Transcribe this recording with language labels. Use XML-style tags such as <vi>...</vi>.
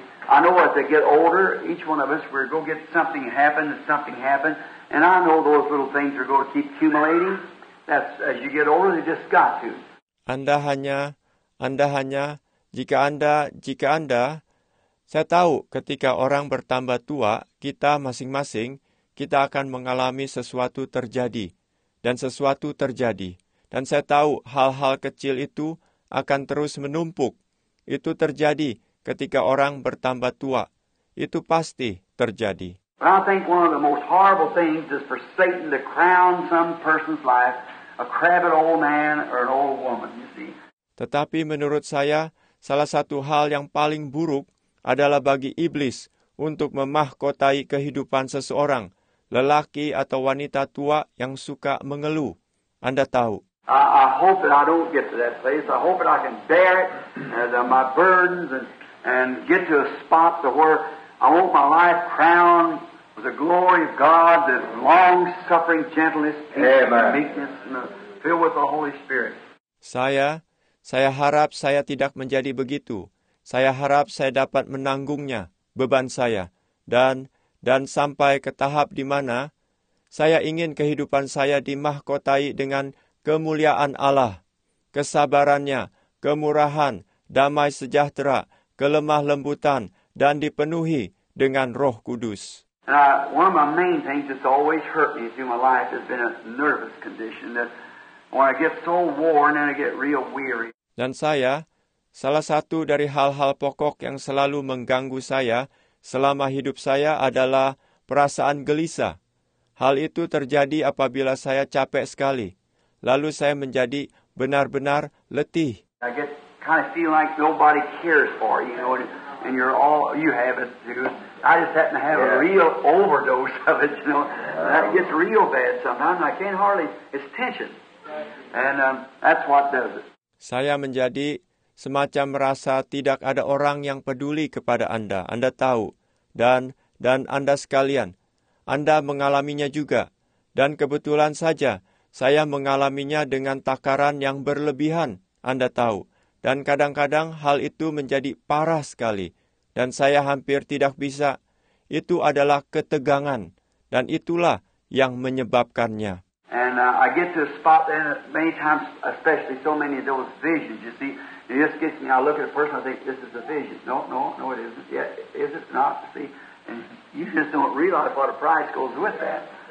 <en>I know as they get older, each one of us, we're going to get something happen, And I know those little things are going to keep accumulating. That's as you get older, they just got to.</en> <id>Anda hanya, jika Anda, saya tahu ketika orang bertambah tua, kita masing-masing, kita akan mengalami sesuatu terjadi, dan sesuatu terjadi. Dan saya tahu hal-hal kecil itu akan terus menumpuk. Itu terjadi ketika orang bertambah tua. Itu pasti terjadi.</id> <en>But I think one of the most horrible things is for Satan to crown some person's life, a crabbed old man or an old woman, you see.</en> <id>Tetapi menurut saya, salah satu hal yang paling buruk adalah bagi iblis untuk memahkotai kehidupan seseorang, lelaki atau wanita tua yang suka mengeluh. Anda tahu.</id> <en>I hope that I don't get to that place. I hope that I can bear it, my burdens, and get to a spot to where I want my life crowned with the glory of God, the long-suffering gentleness, peace, and meekness, and filled with the Holy Spirit.</en> <id>Saya harap saya tidak menjadi begitu. Saya harap saya dapat menanggungnya, beban saya. Dan sampai ke tahap di mana, saya ingin kehidupan saya dimahkotai dengan kemuliaan Allah, kesabarannya, kemurahan, damai sejahtera, kelemah lembutan, dan dipenuhi dengan Roh Kudus.</id> <en>One of my main things that's always hurt me through my life has been a nervous condition that when I get so worn and I get real weary.</en> <id>Dan saya, salah satu dari hal-hal pokok yang selalu mengganggu saya selama hidup saya adalah perasaan gelisah. Hal itu terjadi apabila saya capek sekali. Lalu saya menjadi benar-benar letih.</id> <en>I get kind of feel like nobody cares for you, you know, and you're all, you have it too. I just happen to have a real overdose of it, you know. That gets real bad sometimes. I can't hardly, it's tension. That's what does it.</en> <id>Saya menjadi semacam merasa tidak ada orang yang peduli kepada Anda. Anda tahu. Dan Anda sekalian. Anda mengalaminya juga. Dan kebetulan saja, saya mengalaminya dengan takaran yang berlebihan. Anda tahu. Dan kadang-kadang hal itu menjadi parah sekali. Dan saya hampir tidak bisa. Itu adalah ketegangan. Dan itulah yang menyebabkannya.</id> <en>And I get to a spot then many times, especially so many of those visions, you see. It just gets me, I look at a person, I think, this is a vision. No, it isn't. Yeah, is it not? See, and you just don't realize what a price goes with that.</en>